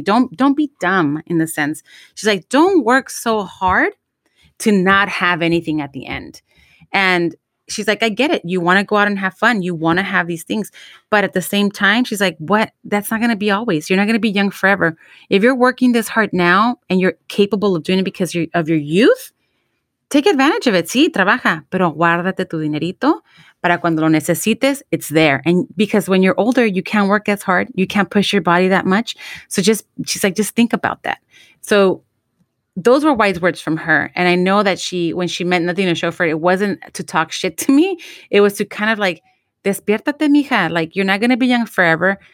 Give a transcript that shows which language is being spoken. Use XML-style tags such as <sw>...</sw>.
<en>Don't be dumb in the sense. She's like, don't work so hard to not have anything at the end. And she's like, I get it. You want to go out and have fun. You want to have these things. But at the same time, she's like, what? That's not going to be always. You're not going to be young forever. If you're working this hard now and you're capable of doing it because of your youth, take advantage of it.</en> <es>Sí, trabaja, pero guárdate tu dinerito para cuando lo necesites,</es> <en>it's there. And because when you're older, you can't work as hard. You can't push your body that much. So she's like, think about that. So those were wise words from her. And I know that when she meant nothing to show for it, it wasn't to talk shit to me. It was to kind of like,</en> <es>despiértate, mija.</es> <en>Like, you're not going to be young forever.</en>